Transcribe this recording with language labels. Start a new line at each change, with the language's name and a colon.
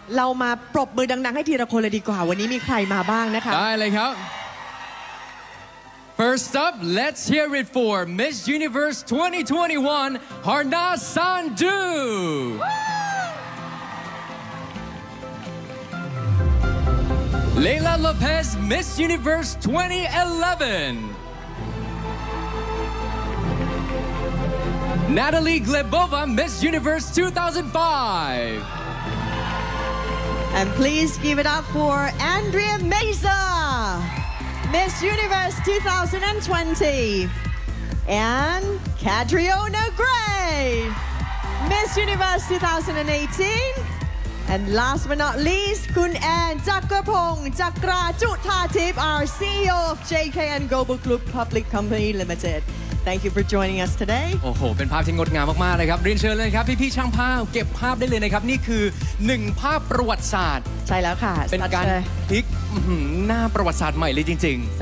Thai: เรามาปรบมือดังๆให้ทีละคนเลยดีกว่าวันนี้มีใครมาบ้างนะคะ ได้เลยครับ
English: First up, let's hear it for Miss Universe 2021, Harna Sandhu. Leila Lopez, Miss Universe 2011. Natalie Glebova, Miss Universe 2005. And please give it up for Andrea Mesa. Miss Universe 2020 and Kadriona Gray, Miss Universe 2018 and last but not least, Kun Ann Chakrapong Chakra Chuthatip, our CEO of JKN Global Group Public Company Limited. Thank you for joining us today.
Thai: โอ้โหเป็นภาพที่งดงามมากๆเลยครับเรียนเชิญเลยครับพี่ๆช่างภาพเก็บภาพได้เลยนะครับนี่คือ1ภาพประวัติศาสตร์ ใช่แล้วค่ะ เป็นการพลิกหน้าประวัติศาสตร์ใหม่เลยจริงๆ